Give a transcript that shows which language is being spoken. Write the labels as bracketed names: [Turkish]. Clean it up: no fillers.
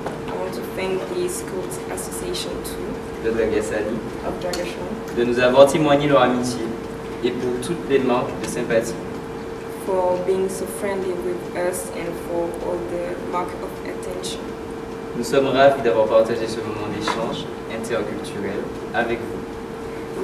[English] I want to thank the scouts association too. [French] De Dragașani. [English] Of Dragașan. [French] De nous avoir témoigné leur amitié et pour toutes les marques de sympathie. [English] For being so friendly with us and for all the mark of attention. [French] Nous sommes ravis d'avoir partagé ce moment d'échange interculturel avec vous.